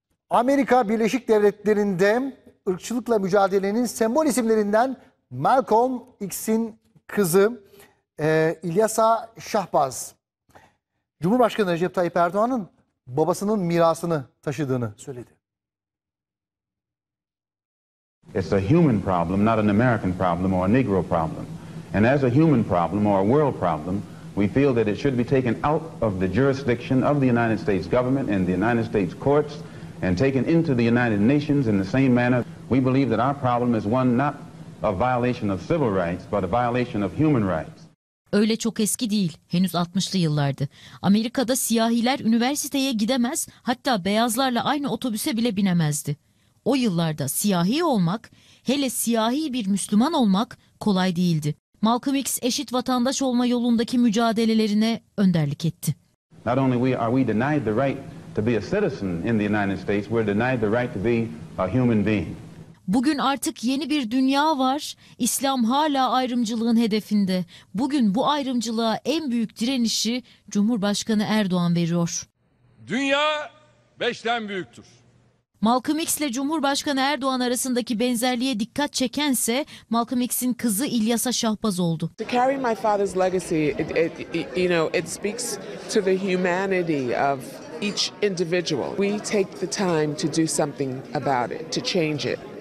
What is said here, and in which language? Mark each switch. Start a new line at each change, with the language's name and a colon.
Turkish: Amerika Birleşik Devletleri'nde ırkçılıkla mücadelenin sembol isimlerinden Malcolm X'in kızı İlyasa Şahbaz, Cumhurbaşkanı Recep Tayyip Erdoğan'ın babasının mirasını taşıdığını söyledi.
English: It's a human problem, not an American problem or a Negro problem. And as a human problem or a world problem, we feel that it should be taken out of the jurisdiction of the United States government and the United States courts and taken into the United Nations in the same manner. We believe that our problem is one not a violation of civil rights, but a violation of human rights.
Turkish: Öyle çok eski değil, henüz 60'lı yıllardı. Amerika'da siyahiler üniversiteye gidemez, hatta beyazlarla aynı otobüse bile binemezdi. O yıllarda siyahi olmak, hele siyahi bir Müslüman olmak kolay değildi. Malcolm X eşit vatandaş olma yolundaki mücadelelerine önderlik etti.
English: Not only are we denied the right to be a citizen in the United States, we're denied the right to be a human being.
Turkish: Bugün artık yeni bir dünya var. İslam hala ayrımcılığın hedefinde. Bugün bu ayrımcılığa en büyük direnişi Cumhurbaşkanı Erdoğan veriyor. Dünya beşten büyüktür. Malcolm X ile Cumhurbaşkanı Erdoğan arasındaki benzerliğe dikkat çekense Malcolm X'in kızı İlyasa Şahbaz oldu.
English: To carry my father's legacy, it speaks to the humanity of each individual. We take the time to do something about it, to change it.